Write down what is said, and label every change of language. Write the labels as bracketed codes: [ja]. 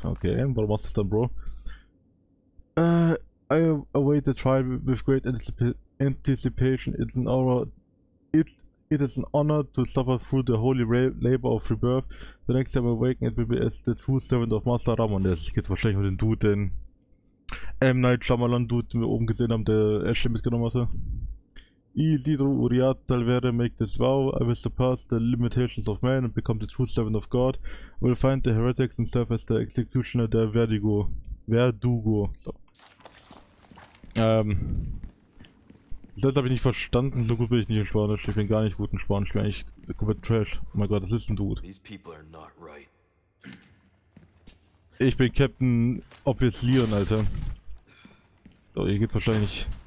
[en] Okay, what was this then, bro? I await the trial with great anticipation. It is an honor to suffer through the holy labor of rebirth. The next time I awaken, it will be as the true servant of Master Ramon. [de] Das geht wahrscheinlich mit dem Dude, den M. Night Shyamalan Dude, den wir oben gesehen haben, der Ashley mitgenommen hatte. [en] Isidro Uriat Talvere make this vow. I will surpass the limitations of man and become the true servant of God. I will find the heretics and serve as the executioner der Verdigo. [de] Verdugo. So. Selbst habe ich nicht verstanden, so gut bin ich nicht in Spanisch. Ich bin gar nicht gut in Spanisch. Ich bin eigentlich komplett trash. Oh mein Gott, das ist ein Dude. [en] These people are not right. [de] Ich bin Captain Obvious Leon, Alter. So, ihr geht wahrscheinlich.